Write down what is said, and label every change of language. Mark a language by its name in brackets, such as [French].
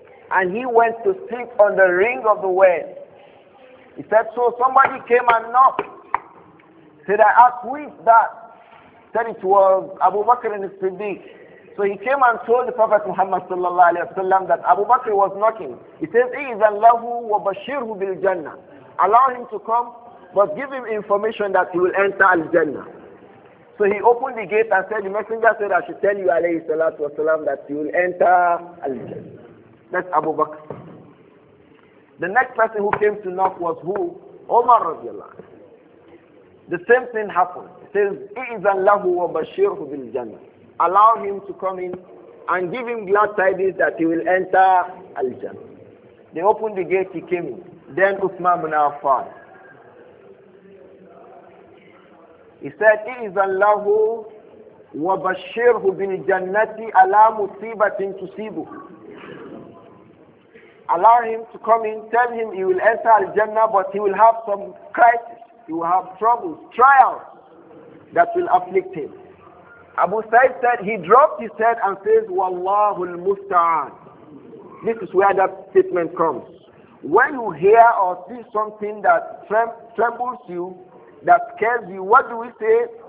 [English] And he went to sit on the ring of the well. He said, so somebody came and knocked. Said, I asked, who is that? Said, it was Abu Bakr and Siddiq. So he came and told the Prophet Muhammad sallallahu alayhi wa sallam that Abu Bakr was knocking. He says, [Arabic] إِذَنْ لَهُ وَبَشِّرْهُ بِالْجَنَّةِ. [English] Allow him to come, but give him information that he will enter Al-Jannah. So he opened the gate and said, the messenger said, I should tell you, alayhi salatu wasalam, that you will enter Al-Jannah. That's Abu Bakr. The next person who came to knock was who? Omar radiallahu anhu. The same thing happened. It says, [Arabic] إِذَنْ لَهُ وَبَشِّرْهُ بِالْجَنَّةِ. [English] Allow him to come in and give him glad tidings that he will enter Al-Jannah. They opened the gate, he came in. Then Uthman bin Affan. He said, [Arabic] إِذَنْ لَهُ وَبَشِّرْهُ بِالْجَنَّةِ أَلَا مُصِيبَةٍ تُصِيبُهُ. [English] Allow him to come in, tell him he will enter Al-Jannah, but he will have some crisis. He will have troubles, trials that will afflict him. Abu Sa'id said, he dropped his head and says, Wallahu al-Musta'an. This is where that statement comes. When you hear or see something that trembles you, that scares you, what do we say?